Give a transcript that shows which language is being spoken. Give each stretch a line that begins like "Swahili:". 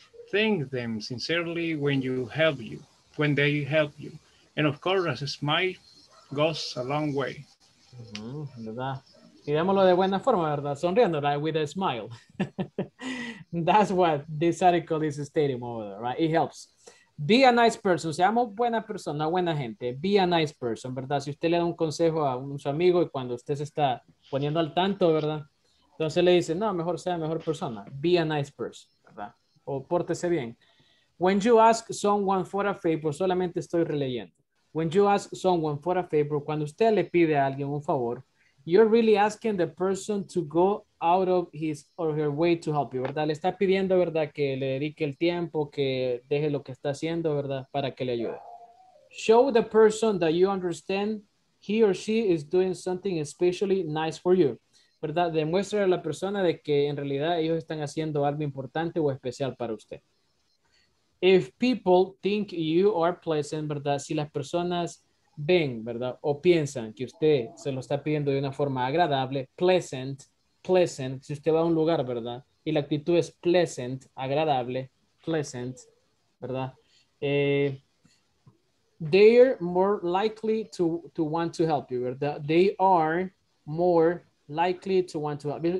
English: Thank them sincerely when they help you. And of course, a smile goes a long way.
Spanish: ¿Verdad? Y démoslo de buena forma, ¿verdad? Sonriendo,
English: right? With a smile. That's what this article is stating over there, right? It helps. Be a nice person.
Spanish: Seamos buena persona, buena gente.
English: Be a nice person,
Spanish: ¿verdad? Si usted le da un consejo a su amigo y cuando usted se está poniendo al tanto, ¿verdad? Entonces le dice, no, mejor sea mejor persona.
English: Be a nice person,
Spanish: ¿verdad? O pórtese bien.
English: When you ask someone for a favor,
Spanish: solamente estoy releyendo.
English: When you ask someone for a favor,
Spanish: cuando usted le pide a alguien un favor,
English: You're really asking the person to go out of his or her way to help you, ¿verdad?
Spanish: Le está pidiendo, ¿verdad? Que le dedique el tiempo, que deje lo que está haciendo, ¿verdad? Para que le ayude.
English: Show the person that you understand he or she is doing something especially nice for you,
Spanish: ¿verdad? Demuestra a la persona de que en realidad ellos están haciendo algo importante o especial para usted.
English: If people think you are pleasant,
Spanish: ¿verdad? Si las personas ven, ¿verdad? O piensan que usted se lo está pidiendo de una forma agradable, pleasant, pleasant. Si usted va a un lugar, ¿verdad? Y la actitud es pleasant, agradable, pleasant, ¿verdad?
English: They're more likely to want to help you,
Spanish: ¿verdad?
English: They are more likely to want to help you.